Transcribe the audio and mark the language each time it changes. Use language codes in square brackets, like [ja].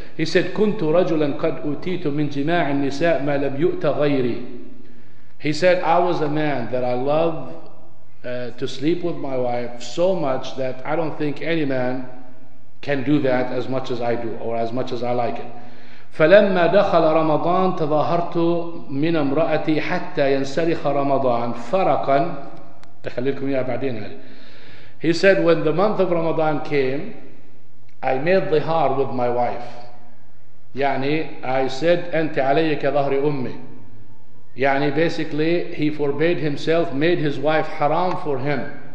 [en] He said, [ar] كنت رجلا قد أتيت من جماع النساء ما لم يؤت غيري. [en] He said, I was a man that I love to sleep with my wife so much that I don't think any man can do that as much as I do or as much as I like it. [ar] فلما دخل رمضان تظاهرت من امرأتي حتى ينسلخ رمضان فرقا. تخليكم يا بعدين. [en] He said, when the month of Ramadan came, I made dhihar with my wife. [ar] يعني [en] I said, [ar] أنت علي كظهر أمي. [en] يعني basically, he forbade himself, made his wife haram for him.